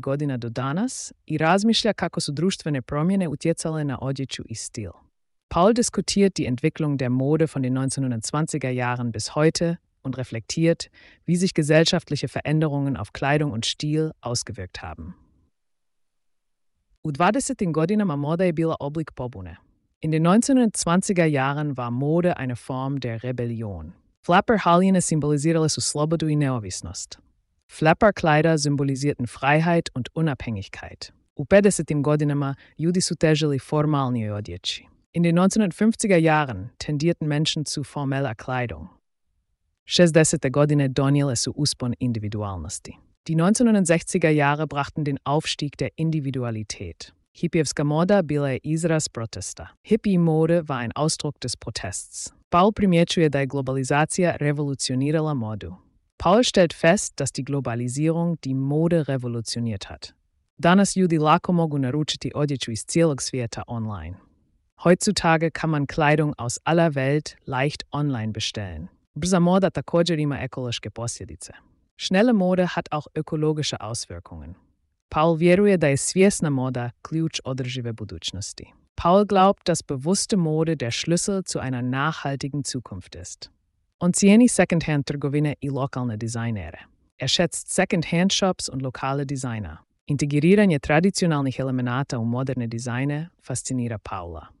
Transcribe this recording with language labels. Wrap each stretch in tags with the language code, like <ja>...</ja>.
<hr>godina do danas i razmišlja kako su društvene promjene utjecale na odjeću i stil.</hr> <de>Paul diskutiert die Entwicklung der Mode von den 1920er Jahren bis heute und reflektiert, wie sich gesellschaftliche Veränderungen auf Kleidung und Stil ausgewirkt haben.</de> <hr>U 20. godinama moda je bila oblik pobune.</hr> <de>In den 1920er Jahren war Mode eine Form der Rebellion.</de> <hr>Flapper haljine symbolisirale su slobodu i neovisnost.</hr> <de>Flapper kleider symbolisierten Freiheit und Unabhängigkeit.</de> <hr>U 50. godinama ljudi su težili formalnijoj odjeći.</hr> <de>In den 1950er Jahren tendierten Menschen zu formeller Kleidung.</de> <hr>60. godine donijele su uspon individualnosti.</hr> <de>Die 1960er Jahre brachten den Aufstieg der Individualität.</de> <hr>Hippievska moda bila je izraz protesta.</hr> <de>Hippie mode va en Ausdruck des Protests.</de> <hr>Paul primjećuje da je globalizacija revolucionirala modu.</hr> <de>Paul stellt fest, dass die Globalisierung die Mode revolutioniert hat.</de> <hr>Danas ljudi lako mogu naručiti odjeću iz cijelog svijeta online.</hr> <de>Heutzutage kann man Kleidung aus aller Welt leicht online bestellen.</de> <hr>Brza moda također ima ekološke posljedice.</hr> <de>Schnelle Mode hat auch ökologische Auswirkungen.</de> <hr>Paul vjeruje da je svjesna moda ključ održive budućnosti.</hr> <de>Paul glaubt, dass bewusste Mode der Schlüssel zu einer nachhaltigen Zukunft ist.</de> <hr>On cijeni second-hand trgovine i lokalne dizajnere.</hr> <de>Er schätzt second-hand shops und lokale Designer.</de> <hr>Integriranje tradicionalnih elemenata u moderne dizajne fascinira Paula.</hr>